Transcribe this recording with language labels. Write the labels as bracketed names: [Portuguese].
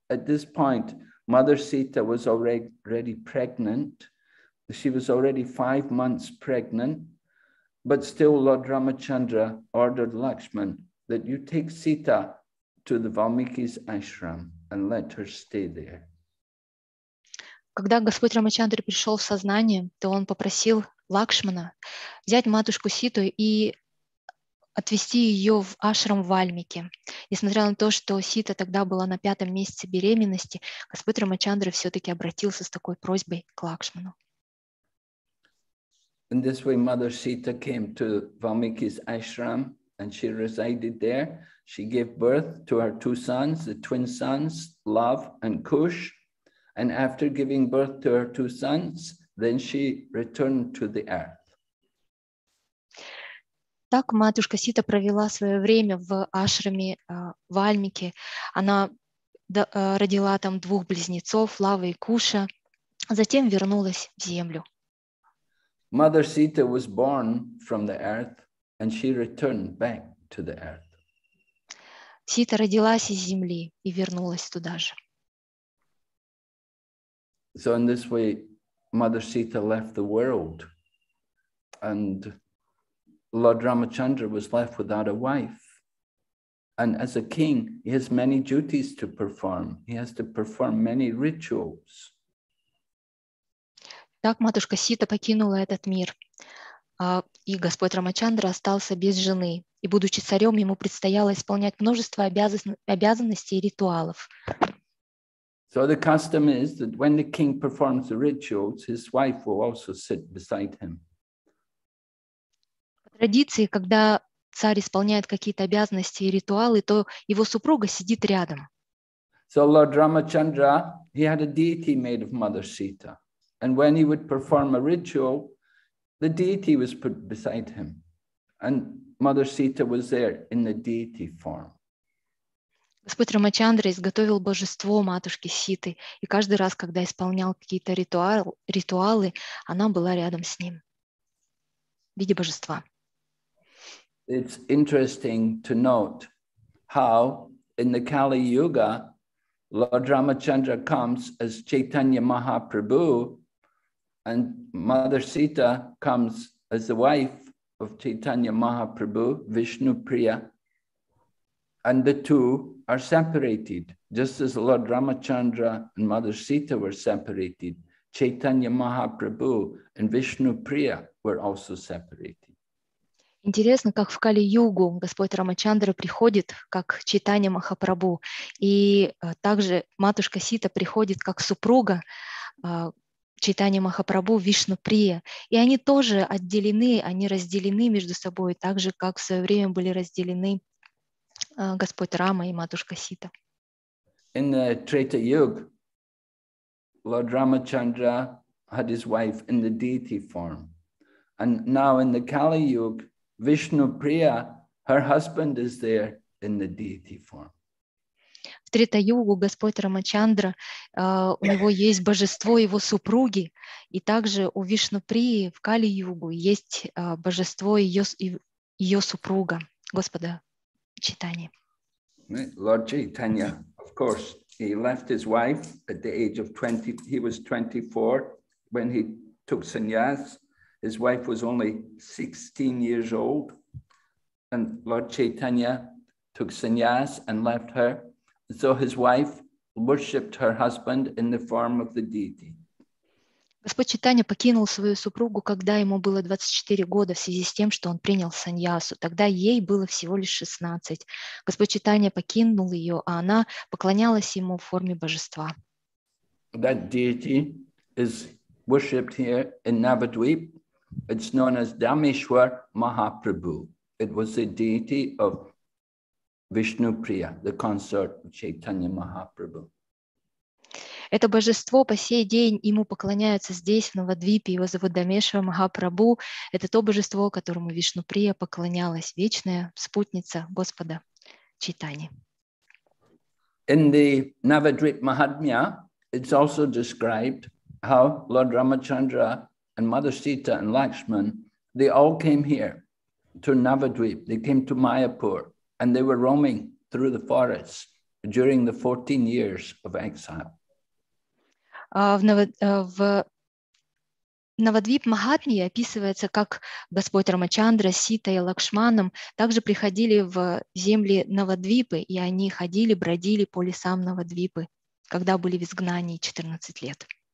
[English] At this point, Mother Sita was already pregnant. She was already 5 months pregnant. But still, Lord Ramachandra ordered Lakshman that you take Sita to the Valmiki's ashram and let her stay there. [Russian] Когда Господь Рамачандра пришел в сознание, то он попросил Лакшмана взять матушку Ситу и отвезти ее в ашрам Вальмики. Несмотря на то, что Сита тогда была на 5-м месяце беременности, Господь Рамачандра все-таки обратился с такой просьбой к Лакшману. [English] In this way, Mother Sita came to Valmiki's ashram and she resided there. She gave birth to her two sons, the twin sons, Lav and Kush. And after giving birth to her two sons, then she returned to the earth. [Russian] Так матушка Сита провела свое время в ашраме Вальмики. Она родила там двух близнецов, Лавы и Куша, затем вернулась в землю. [English] Mother Sita was born from the earth, and she returned back to the earth. [Russian] Сита родилась из земли и вернулась туда же. [English] So in this way, Mother Sita left the world, and Lord Ramachandra was left without a wife. And as a king, he has many duties to perform. He has to perform many rituals. [Russian] Так матушка Сита покинула этот мир, и Господь Рамачандра остался без жены. И будучи царем, ему предстояло исполнять множество обязанностей и ритуалов. [English] So the custom is that when the king performs the rituals, his wife will also sit beside him. [Russian] По традиции, когда царь исполняет какие-то обязанности и ритуалы, то его супруга сидит рядом. [English] So Lord Ramachandra, he had a deity made of Mother Sita. And when he would perform a ritual, the deity was put beside him. And Mother Sita was there in the deity form. [Russian] Господь Рамачандра изготовил божество матушки Ситы, и каждый раз, когда исполнял какие-то ритуалы, она была рядом с ним в виде божества. [English] It's interesting to note how in the Kali Yuga, Lord Ramachandra comes as Chaitanya Mahaprabhu, and Mother Sita comes as the wife of Chaitanya Mahaprabhu, Vishnu Priya, and the two are separated. Just as Lord Ramachandra and Mother Sita were separated, Chaitanya Mahaprabhu and Vishnu Priya were also separated. [Russian] Интересно, как в Кали-Югу Господь Рамачандра приходит как Чайтанья Махапрабху, и также матушка Сита приходит как супруга Чайтанья Махапрабху Вишну Прия. И они тоже отделены, они разделены между собой, так же, как в свое время были разделены Господь Рама и матушка Сита. [English] In the Treta Yuga, Lord Ramachandra had his wife in the deity form. And now in the Kali-Yuga, Vishnu Priya, her husband is there in the deity form. [Russian] В Трета-югу Господь Рамачандра, у него есть божество его супруги, и также у Вишну Прии в Кали-югу есть божество ее супруга, Господа Чайтаньи. [English] Lord Chaitanya, of course, he left his wife at the age of 20. He was 24 when he took sannyas. His wife was only 16 years old, and Lord Chaitanya took sannyas and left her. So his wife worshipped her husband in the form of the deity. [Russian] Господь Чайтанья покинул свою супругу, когда ему было 24 года, в связи с тем, что он принял саньясу. Тогда ей было всего лишь 16. Господь Чайтанья покинул ее, а она поклонялась ему в форме божества. [English] That deity is worshipped here in Navadvip. It's known as Dameshwar Mahaprabhu. It was the deity of Vishnu Priya, the consort of Chaitanya Mahaprabhu. [Russian] Это божество по сей день ему поклоняются здесь, в Навадвипе. Его зовут Дамешва Махапрабху. Это то божество, которому Вишну Прия поклонялась, вечная спутница Господа Чайтаньи. [English] In the Navadvip Mahatmya, it's also described how Lord Ramachandra and Mother Sita and Lakshman, they all came here to Navadvip. They came to Mayapur and they were roaming through the forests during the 14 years of exile. [Russian] В Навадвип Махатмии описывается, как Господь Рамачандра, Сита и Лакшманом также приходили в земли Навадвипы, и они ходили, бродили по лесам Навадвипы, когда были в изгнании 14 лет.